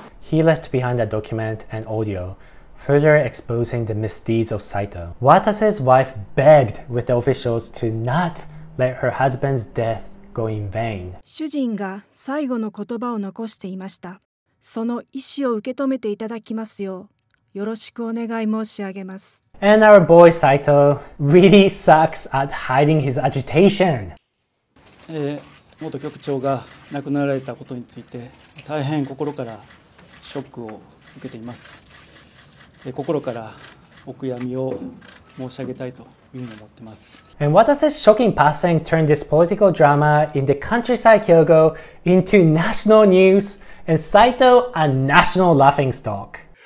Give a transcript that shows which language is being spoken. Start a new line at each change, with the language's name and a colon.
English: He left behind a document and audio, further exposing the misdeeds of Saito. Watase's wife begged with the officials to not let her husband's death go in vain.
Japanese: 主人が最後の言葉を残していました。その意思を受け止めていただきますよう、よろしくお願い申し上げます。
English: And our boy Saito really sucks at hiding his agitation.
Japanese: 元局長が亡くなられたことについて、大変心から ショックを受けています。心からお悔やみを申し上げたいというふうに思っています。
English: And Watase's shocking passing turned this political drama in the countryside Hyogo into national news and Saito a national laughingstock.